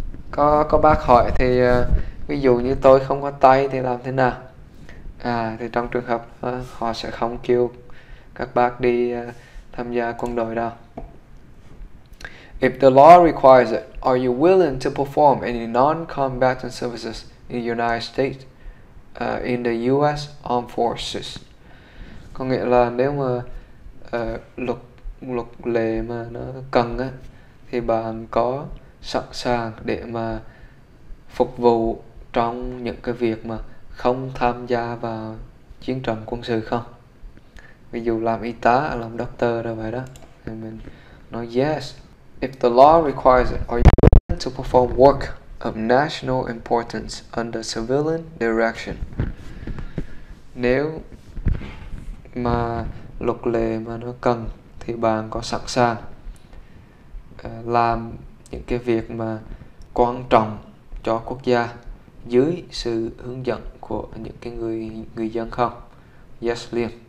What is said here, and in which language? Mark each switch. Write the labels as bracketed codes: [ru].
[vi] Có bác hỏi thì ví dụ như tôi không có tay thì làm thế nào? Thì trong trường hợp họ sẽ không kêu các bác đi tham gia quân đội đâu. [en] If the law requires it, are you willing to perform any non-combatant services in the United States, in the U.S. Armed Forces? [vi] Có nghĩa là nếu mà luật lệ mà nó cần á, thì bạn có sẵn sàng để mà phục vụ trong những cái việc mà không tham gia vào chiến trận quân sự không? Ví dụ làm y tá, làm doctor rồi vậy đó. Thì mình nói yes. [en] If the law requires it, are you willing to perform work of national importance under civilian direction? [vi] Nếu mà luật lệ mà nó cần thì bạn có sẵn sàng làm những cái việc mà quan trọng cho quốc gia dưới sự hướng dẫn của những cái người dân không? Yes, liền.